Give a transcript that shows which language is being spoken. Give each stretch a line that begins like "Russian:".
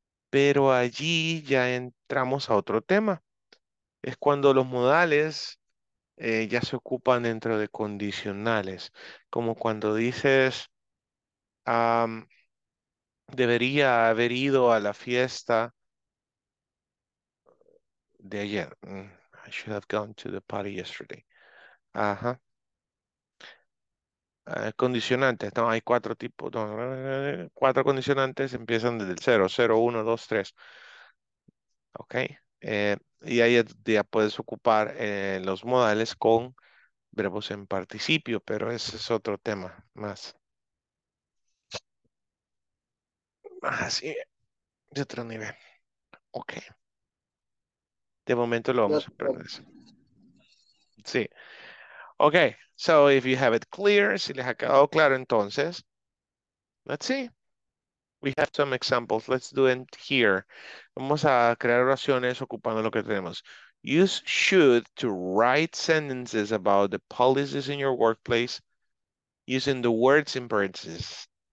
Spanish: Pero allí ya entramos a otro tema. Es cuando los modales ya se ocupan dentro de condicionales. Como cuando dices, debería haber ido a la fiesta de ayer.
English: I should have gone to the party yesterday.
Spanish: Ajá. Condicionantes, no, hay cuatro tipos, no, cuatro condicionantes empiezan desde el 0, 0, 1, 2, 3. Ok, y ahí ya puedes ocupar los modales con verbos en participio, pero ese es otro tema más. Más de otro nivel. Ok, de momento lo vamos a aprender. Sí.
English: Ok, so if you have it clear,
Spanish: si les ha quedado claro, entonces,
English: let's see. We have some examples. Let's do it here.
Spanish: Vamos a crear oraciones ocupando lo que tenemos.
English: Use should to write sentences about the policies in your workplace using the words in parentheses.